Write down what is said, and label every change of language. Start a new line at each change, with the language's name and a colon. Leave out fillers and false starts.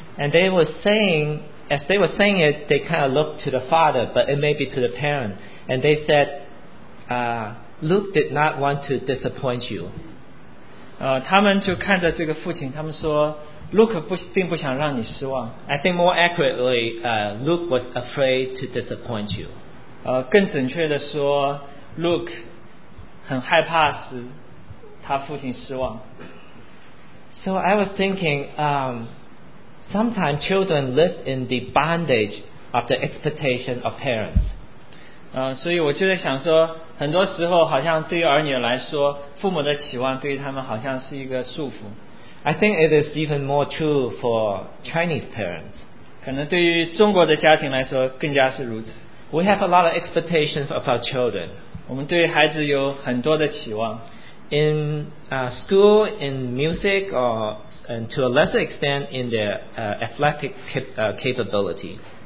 English: And they were saying, as they were saying it, they kind of looked to the father, but it may be to the parent, and they said, Luke did not want to disappoint you.
Chinese: 他们就看着这个父亲，他们说 Luke 并不想让你失望。
English: I think more accurately, Luke was afraid to disappoint you.
Chinese: 更准确的说 Luke 很害怕使他父亲失望。
English: So I was thinking, sometimes children live in the bondage of the expectation of parents.
Chinese: 所以我就在想说 很多时候好像对于儿女来说，父母的期望对于他们好像是一个束缚。
English: I think it is even more true for Chinese parents.
Chinese: 可能对于中国的家庭来说更加是如此。
English: We have a lot of expectations of our children.
Chinese: 我们对孩子有很多的期望。
English: In school, in music, or and to a lesser extent in their athletic capability.